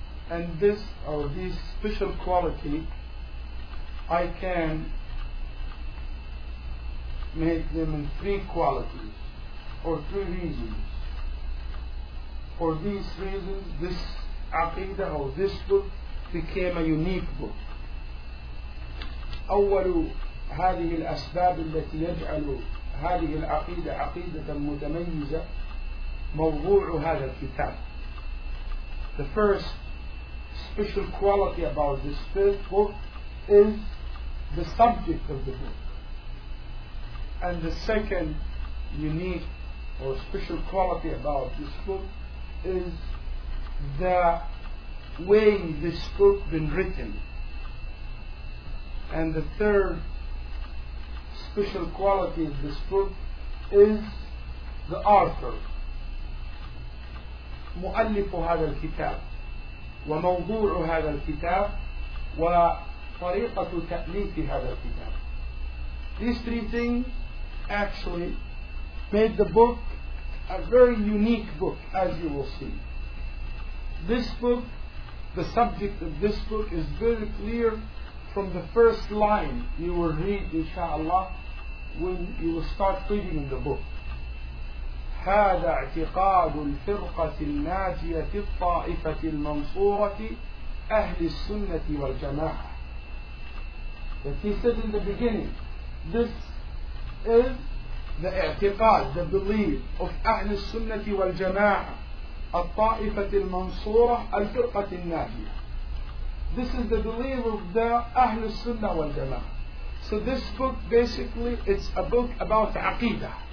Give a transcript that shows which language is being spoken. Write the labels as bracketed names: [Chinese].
[English] And this, or this special quality, I can make them in three qualities or three reasons. For these reasons, this Aqidah or this book became a unique book. [Arabic] أول هذه الأسباب التي يجعل هذه العقيدة عقيدة متميزة موضوع هذا الكتاب. [English] The first special quality about this book is the subject of the book. And the second unique or special quality about this book is the way this book been written. And the third special quality of this book is the author, [Arabic] مؤلف هذا الكتاب وموضوع هذا الكتاب و طريقة تأليف هذا الكتاب. [English] These three things actually made the book a very unique book, as you will see. This book, the subject of this book is very clear from the first line you will read, inshallah, when you will start reading the book. [Arabic] هذا اعتقاد الفرقة الناجية الطائفة المنصورة أهل السنة والجماعة. [English] That he said in the beginning, this is the i'tiqad, the belief of Ahl al-Sunnah wal-Jama'ah, al-Ta'ifat al-Mansurah, al-Firqat al-Najiyah. This is the belief of the Ahl al-Sunnah wal-Jama'ah. So this book, basically, it's a book about Aqidah.